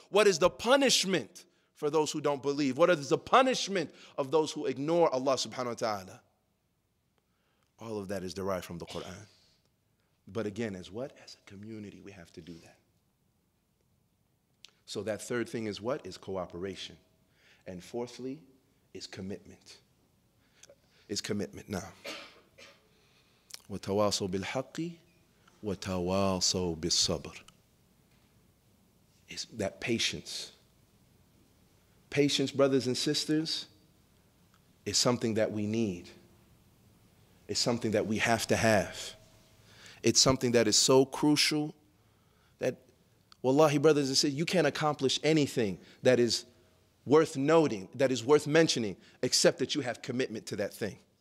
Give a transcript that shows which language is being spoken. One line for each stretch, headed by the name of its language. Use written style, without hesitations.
English: What is the punishment for those who don't believe? What is the punishment of those who ignore Allah subhanahu wa ta'ala? All of that is derived from the Quran. But again, as what? As a community, we have to do that. So that third thing is what? Is cooperation. And fourthly, is commitment. Is commitment.
Arabic: Now, وَتَوَاصَوْ بِالْحَقِّ وَتَوَاصَوْ بِالصَّبْرِ.
English: Is that patience. Patience, brothers and sisters, is something that we need. It's something that we have to have. It's something that is so crucial that, wallahi, brothers and sisters, you can't accomplish anything that is worth noting, that is worth mentioning, except that you have commitment to that thing.